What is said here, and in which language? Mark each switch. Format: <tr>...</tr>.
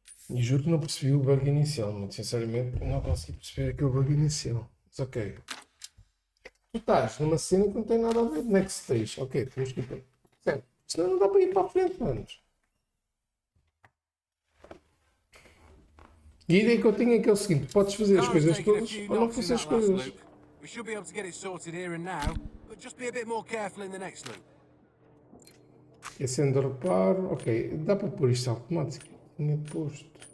<pt>E juro que não percebi o bug inicial, muito sinceramente, não consegui perceber aquele bug inicial. Mas ok. Tu estás numa cena que não tem nada a ver,</pt> <en>next stage.</en> <pt>Ok, temos que ir para. Certo, senão não dá para ir para a frente, mano. E a ideia que eu tinha é que é o seguinte, podes fazer as coisas todas ou não fazer as coisas.</pt> <en>We should be able to get it sorted here and now, but just be a bit more careful in the next loop.</en> <pt>Acendo o reparo, ok, dá para pôr isto automático. Tinha posto.</pt>